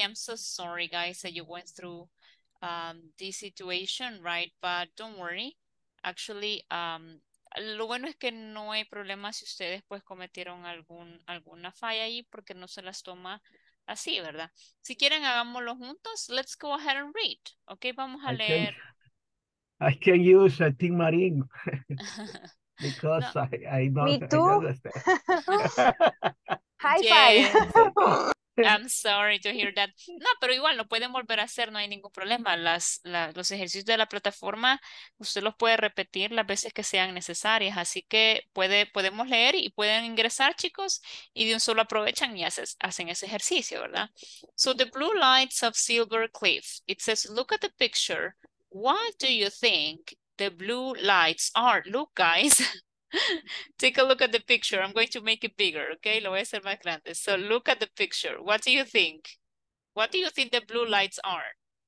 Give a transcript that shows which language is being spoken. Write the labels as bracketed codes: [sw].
[en] I'm so sorry, guys, that you went through this situation, right? But don't worry. Actually, [es] lo bueno es que no hay problema si ustedes pues cometieron alguna falla ahí porque no se las toma así, ¿verdad? Si quieren, hagámoslo juntos. [en] Let's go ahead and read. [es] Ok, vamos a leer. [en] I can use a team marine because no. I don't understand. High five. I'm sorry to hear that. [es] No, pero igual lo pueden volver a hacer, no hay ningún problema. Los ejercicios de la plataforma, usted los puede repetir las veces que sean necesarias. Así que podemos leer y pueden ingresar, chicos, y de un solo aprovechan y hacen ese ejercicio, ¿verdad? [en] So the blue lights of Silver Cliff. It says, look at the picture. What do you think the blue lights are? Look, guys. Take a look at the picture. I'm going to make it bigger, okay? [es] Lo voy a hacer más grande. [en] So look at the picture. What do you think? What do you think the blue lights are?